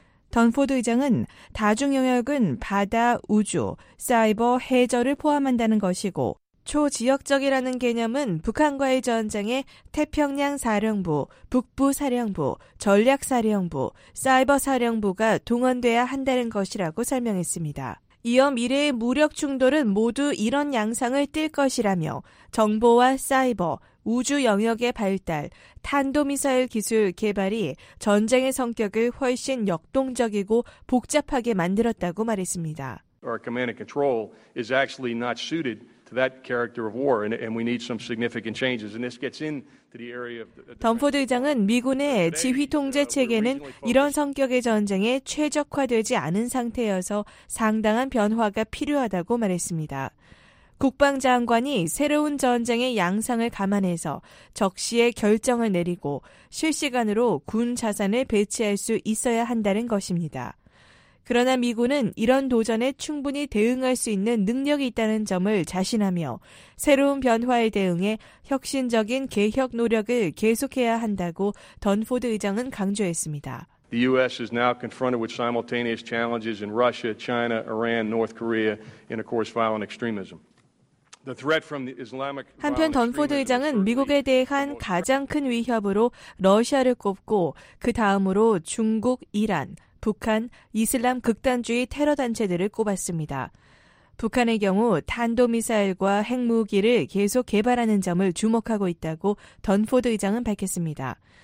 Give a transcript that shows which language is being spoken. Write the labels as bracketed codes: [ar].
[ko] 던포드 의장은 다중 영역은 바다, 우주, 사이버, 해저를 포함한다는 것이고 초지역적이라는 개념은 북한과의 전쟁에 태평양 사령부, 북부 사령부, 전략 사령부, 사이버 사령부가 동원돼야 한다는 것이라고 설명했습니다. 이어 미래의 무력 충돌은 모두 이런 양상을 띨 것이라며 정보와 사이버, 우주 영역의 발달, 탄도미사일 기술 개발이 전쟁의 성격을 훨씬 역동적이고 복잡하게 만들었다고 말했습니다. [en] Our command and control is actually not suited to that character of war, and we need some significant changes. And this gets in to the area of. [ko] 덤포드 의장은 미군의 지휘 통제 체계는 이런 성격의 전쟁에 최적화되지 않은 상태여서 상당한 변화가 필요하다고 말했습니다. 국방장관이 새로운 전쟁의 양상을 감안해서 적시에 결정을 내리고 실시간으로 군 자산을 배치할 수 있어야 한다는 것입니다. 그러나 미군은 이런 도전에 충분히 대응할 수 있는 능력이 있다는 점을 자신하며 새로운 변화에 대응해 혁신적인 개혁 노력을 계속해야 한다고 던포드 의장은 강조했습니다. [en] The U.S. is now confronted with simultaneous challenges in Russia, China, Iran, North Korea, and of course violent extremism. [ko] 한편 던포드 의장은 미국에 대한 가장 큰 위협으로 러시아를 꼽고 그 다음으로 중국, 이란, 북한, 이슬람 극단주의 테러 단체들을 꼽았습니다. 북한의 경우 탄도미사일과 핵무기를 계속 개발하는 점을 주목하고 있다고 던포드 의장은 밝혔습니다.